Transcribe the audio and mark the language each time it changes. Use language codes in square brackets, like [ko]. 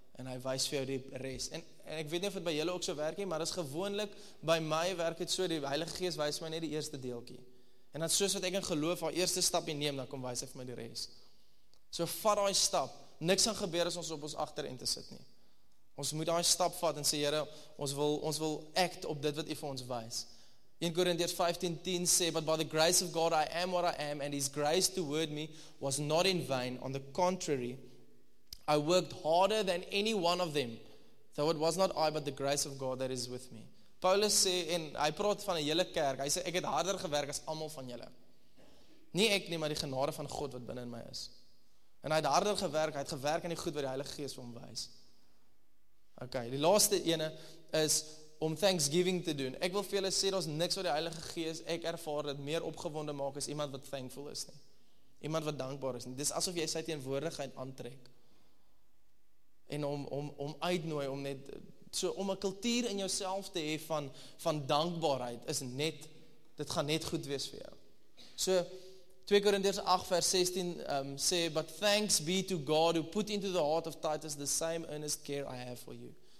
[af] En hy wys vir jou die res. En ek weet nie of dit by julle ook so werk nie, maar dit is gewoonlik, by my werk het so, die Heilige Gees wys my net die eerste deeltjie. En dan soos wat ek in geloof al eerste stapje neem, dan kom wys hy vir my die res. So vat daai stap. Niks gaan gebeur as ons op ons agterend te sit nie. Ons moet daai stap vat en sê, Here, ons wil act op dit wat hy vir ons wys. 1 Korintiërs 15:10 sê, [en] but by the grace of God I am what I am, and his grace toward me was not in vain. On the contrary, I worked harder than any one of them. Though it was not I, but the grace of God that is with me. [af] Paulus sê, en hy praat van 'n hele kerk, hy sê, ek het harder gewerk as almal van julle. Nie ek nie, maar die genade van God wat binnen my is. En hy het harder gewerk, hy het gewerk in die goed wat die Heilige Gees vir hom wys. Ok, die laaste ene is, om thanksgiving te doen. Ek wil vir julle sê, daar is niks wat die Heilige Gees, ek ervaar dit meer opgewonde maak, as iemand wat thankful is nie. Iemand wat dankbaar is nie. Dis asof jy sy teenwoordigheid aantrek. En om uitnooi, om net, so om 'n kultuur in jouself te hê van dankbaarheid, is net, dit gaan net goed wees vir jou. So, 2 Korintiërs 8 vers 16 sê, [en] but thanks be to God who put into the heart of Titus the same earnest care I have for you.